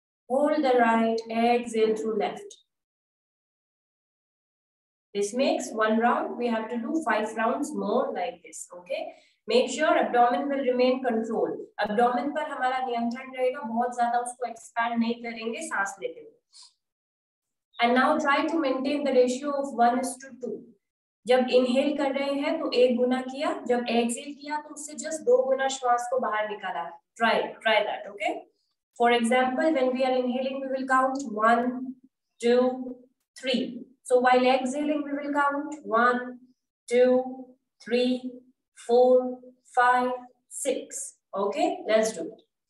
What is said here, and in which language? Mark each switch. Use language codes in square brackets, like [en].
[en] Hold the right, exhale through left. This makes 1 round. We have to do 5 rounds more like this, okay? Make sure abdomen will remain controlled. [hi] Abdomen पर हमारा नियंत्रण रहेगा, बहुत ज्यादा उसको expand नहीं करेंगे सांस लेते हुए. [en] And now try to maintain the ratio of 1:2. [hi] जब inhale कर रहे हैं तो एक गुना किया, जब exhale किया तो उससे just दो गुना श्वास को बाहर निकाला. [en] Try that, okay? For example, when we are inhaling, we will count 1, 2, 3. So while exhaling, we will count 1, 2, 3, 4, 5, 6. Okay, let's do it.